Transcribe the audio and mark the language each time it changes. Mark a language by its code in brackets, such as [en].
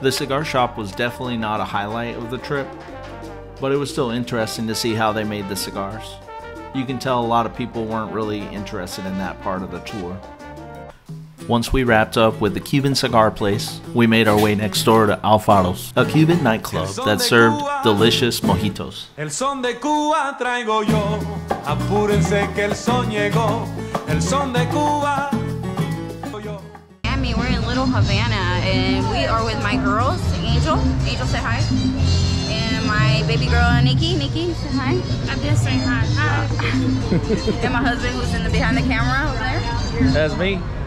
[en] The cigar shop was definitely not a highlight of the trip, but it was still interesting to see how they made the cigars. You can tell a lot of people weren't really interested in that part of the tour. Once we wrapped up with the Cuban cigar place, we made our way next door to Alfaro's, a Cuban nightclub that served delicious mojitos. [es] El son de Cuba traigo yo, apúrense que el son llegó, el son de Cuba. [en] Miami, we're in Little Havana and we are with my girls, Angel. Angel, say hi. My baby girl, Nikki. Nikki, say hi. I'm just saying hi. Hi. And my husband, who's in the behind the camera over there. That's me.